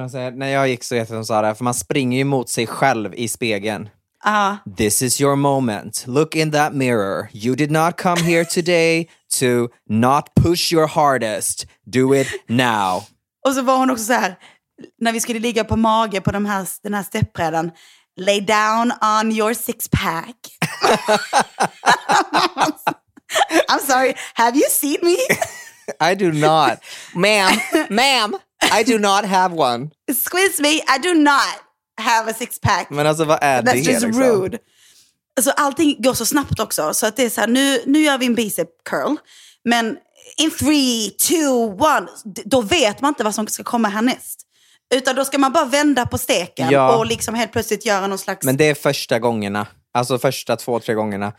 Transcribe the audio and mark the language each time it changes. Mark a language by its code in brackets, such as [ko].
[sv] När jag gick så vet de så här. För man springer ju mot sig själv i spegeln. Ja. [en] This is your moment. Look in that mirror. You did not come here today to not push your hardest. Do it now. [sv] Och så var hon också så här. När vi skulle ligga på mage på den här stepprädan. [en] Lay down on your 6-pack. I'm sorry, have you seen me? I do not. Ma'am, I do not have one. Excuse me, I do not have a 6-pack. [sv] Men alltså vad är det? [en] That's just rude. [sv] Alltså allting går så snabbt också. Så att det är så här, nu gör vi en bicep curl. Men [en] in 3, 2, 1, [sv] då vet man inte vad som ska komma härnäst. Utan då ska man bara vända på steken, ja. Och liksom helt plötsligt göra någon slags... Men det är första gångerna. Alltså första 2-3 gångerna.